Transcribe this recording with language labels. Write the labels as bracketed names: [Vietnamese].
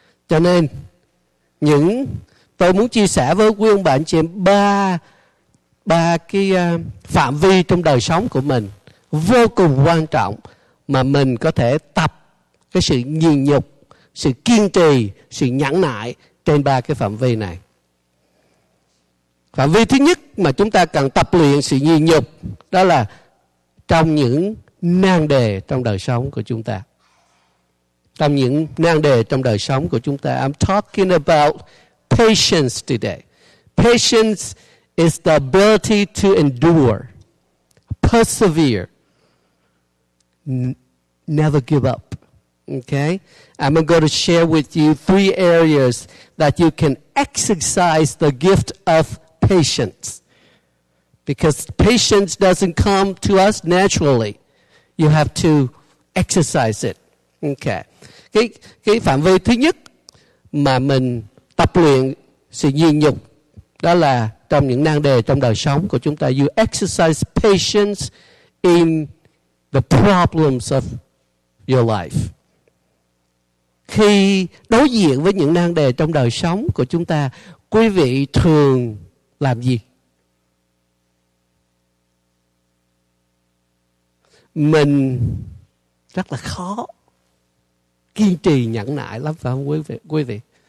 [Vietnamese] Cho nên những tôi muốn chia sẻ với quý ông bà anh chị em ba cái phạm vi trong đời sống của mình vô cùng quan trọng mà mình có thể tập cái sự nhịn nhục, sự kiên trì, sự nhẫn nại trên ba cái phạm vi này. Phạm vi thứ nhất mà chúng ta cần tập luyện sự nhịn nhục, đó là trong những nan đề trong đời sống của chúng ta. Trong những nan đề trong đời sống của chúng ta. [English] I'm talking about patience today. Patience is the ability to endure, persevere, never give up. Okay? I'm going to share with you three areas that you can exercise the gift of patience. Because patience doesn't come to us naturally. You have to exercise it. Okay. [Vietnamese] Cái phạm vi thứ nhất mà mình tập luyện sự nhịn nhục, đó là trong những nan đề trong đời sống của chúng ta. [English] You exercise patience in the problems of your life. [Vietnamese] Khi đối diện với những nan đề trong đời sống của chúng ta, quý vị thường làm gì? Mình rất là khó kiên trì nhẫn nại lắm, phải không quý vị?